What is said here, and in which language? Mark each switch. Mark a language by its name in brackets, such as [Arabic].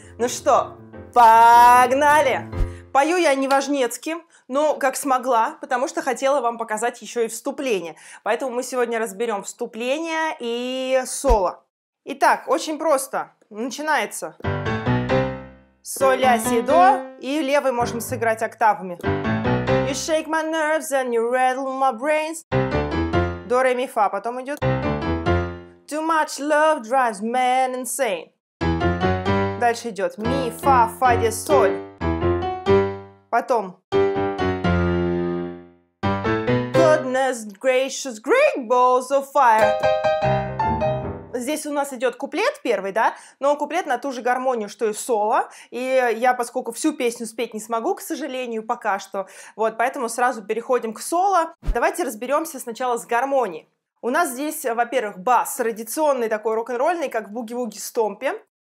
[Russian] Ну что, погнали! Пою я не важнецки, но как смогла, потому что хотела вам показать еще и вступление. Поэтому мы сегодня разберем вступление и соло. Итак, очень просто, начинается. Соль, ля, си, до, и левой можем сыграть октавами. [English] You shake my nerves and you rattle my brains. [Russian] До, ре, ми, фа, потом идет. [English] Too much love drives men insane. [Russian] Дальше идет ми, фа, фа, ди, соль. Потом. [English] Goodness gracious, great balls of fire. [Russian] Здесь у нас идет куплет первый, да, но куплет на ту же гармонию, что и соло, и я, поскольку всю песню спеть не смогу, к сожалению, пока что, вот, поэтому сразу переходим к соло. Давайте разберемся сначала с гармонией. У нас здесь, во-первых, бас традиционный такой рок-н-ролльный, как в буги-вуги-стомпе.